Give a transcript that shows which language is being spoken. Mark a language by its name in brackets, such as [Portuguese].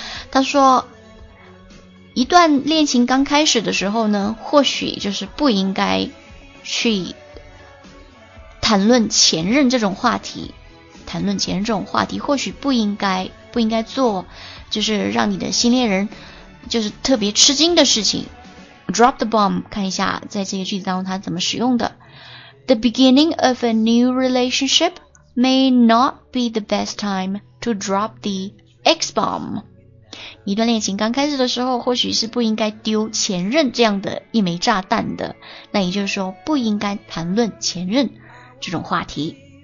[Chinese] 他说，一段恋情刚开始的时候呢，或许就是不应该去谈论前任这种话题，谈论前任这种话题或许不应该做，就是让你的新恋人就是特别吃惊的事情。 Drop the bomb, 看一下在这个句子当中它怎么使用的。 [English] The beginning of a new relationship may not be the best time to drop the X-bomb. [Chinese] 一段恋情刚开始的时候或许是不应该丢前任这样的一枚炸弹的，那也就是说不应该谈论前任这种话题。